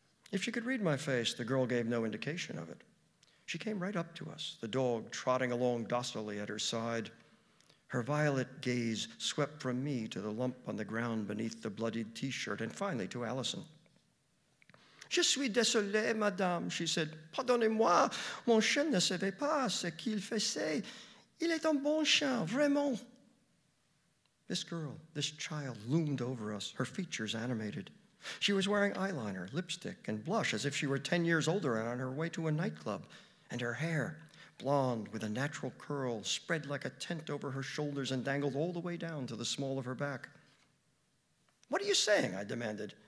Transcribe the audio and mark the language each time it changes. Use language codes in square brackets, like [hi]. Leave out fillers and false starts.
[en] If she could read my face, the girl gave no indication of it. She came right up to us, the dog trotting along docilely at her side. Her violet gaze swept from me to the lump on the ground beneath the bloodied T-shirt, and finally to Allison. [fr] Je suis désolée, madame, [en] she said. [fr] Pardonnez-moi, mon chien ne savait pas ce qu'il faisait. Il est un bon chien, vraiment. [en] This girl, this child, loomed over us, her features animated. She was wearing eyeliner, lipstick, and blush as if she were 10 years older and on her way to a nightclub. And her hair, blonde with a natural curl, spread like a tent over her shoulders and dangled all the way down to the small of her back. What are you saying? I demanded.